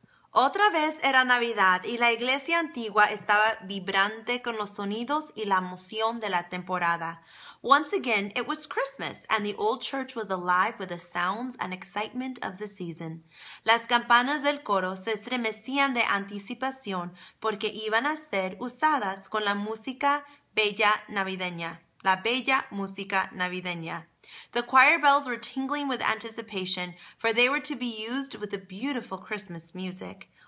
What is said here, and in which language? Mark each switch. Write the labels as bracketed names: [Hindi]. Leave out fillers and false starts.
[Spanish] Otra vez era Navidad y la iglesia antigua estaba vibrante con los sonidos y la emoción de la temporada. [English] Once again, it was Christmas and the old church was alive with the sounds and excitement of the season. [Spanish] Las campanas del coro se estremecían de anticipación porque iban a ser usadas con la música bella navideña, la bella música navideña. [English] The choir bells were tingling with anticipation, for they were to be used with the beautiful Christmas music.